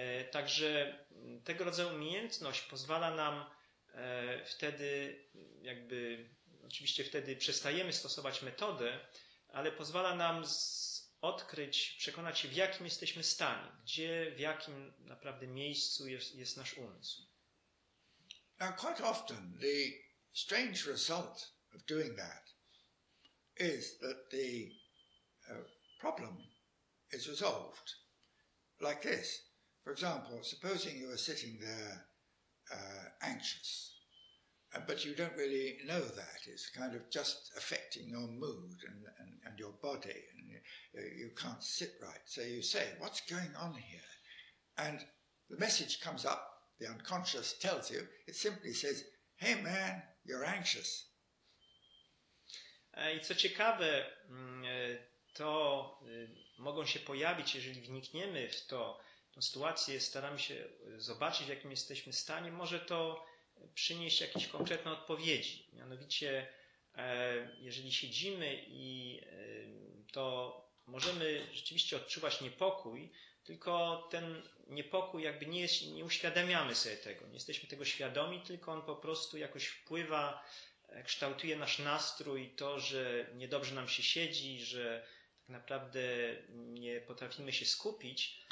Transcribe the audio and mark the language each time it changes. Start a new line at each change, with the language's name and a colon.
Polish: Także tego rodzaju umiejętność pozwala nam wtedy jakby, oczywiście wtedy przestajemy stosować metodę, ale pozwala nam odkryć, przekonać się, w jakim jesteśmy stanie, gdzie, w jakim naprawdę miejscu jest nasz umysł.
English: Now quite often the strange result of doing that is that the problem is resolved like this. For example, supposing you are sitting there anxious, but you don't really know that. It's kind of just affecting your mood and your body, and you can't sit right. So you say, what's going on here? And the message comes up, the unconscious tells you, it simply says, hey man, you're anxious.
Polish: I co ciekawe, to mogą się pojawić, jeżeli wnikniemy w to, tą sytuację, staramy się zobaczyć, w jakim jesteśmy stanie, może to przynieść jakieś konkretne odpowiedzi. Mianowicie, jeżeli siedzimy i to możemy rzeczywiście odczuwać niepokój, tylko ten niepokój jakby nie uświadamiamy sobie tego, nie jesteśmy tego świadomi, tylko on po prostu jakoś wpływa, kształtuje nasz nastrój, to, że niedobrze nam się siedzi, że tak naprawdę nie potrafimy się skupić.